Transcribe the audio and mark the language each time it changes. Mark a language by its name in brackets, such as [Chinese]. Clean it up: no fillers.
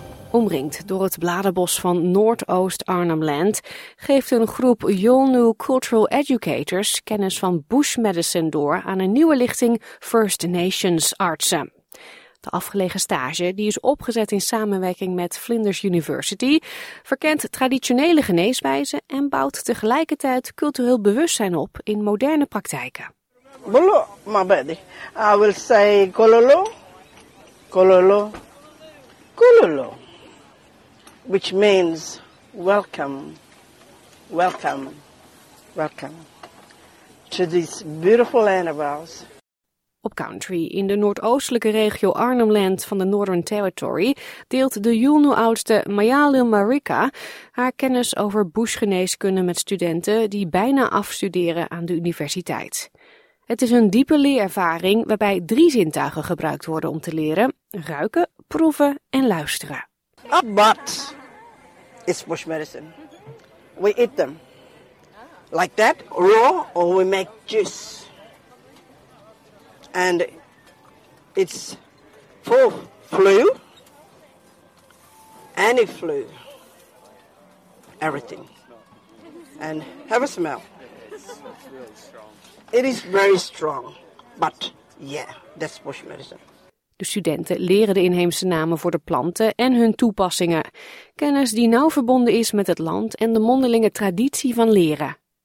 [Dutch] Omringd door het bladerbos van Noordoost Arnhem Land geeft een groep Yolngu Cultural Educators kennis van Bush Medicine door aan een nieuwe lichting First Nations artsen. De afgelegen stage, die is opgezet in samenwerking met Flinders University, verkent traditionele geneeswijzen en bouwt tegelijkertijd cultureel bewustzijn op in moderne praktijken. [English] Bolo, my bad. I will say kololo, kololo, kololo, which means welcome, welcome, welcome to this beautiful land of ours. [Dutch] Op country in de noordoostelijke regio Arnhem Land van de Northern Territory deelt de Yolngu-oudste Mayalu Marika haar kennis over bushgeneeskunde met studenten die bijna afstuderen aan de universiteit. Het is een diepe leerervaring waarbij drie zintuigen gebruikt worden om te leren: ruiken, proeven en luisteren. [English] But it's bush medicine. We eat them like that, raw, or we make juice. And it's for flu, any flu, everything. And have a smell. It is very strong, but yeah, that's bush medicine. [Dutch] De studenten leren de inheemse namen voor de planten en hun toepassingen. Kennis die nauw verbonden is met het land en de mondelinge traditie van leren.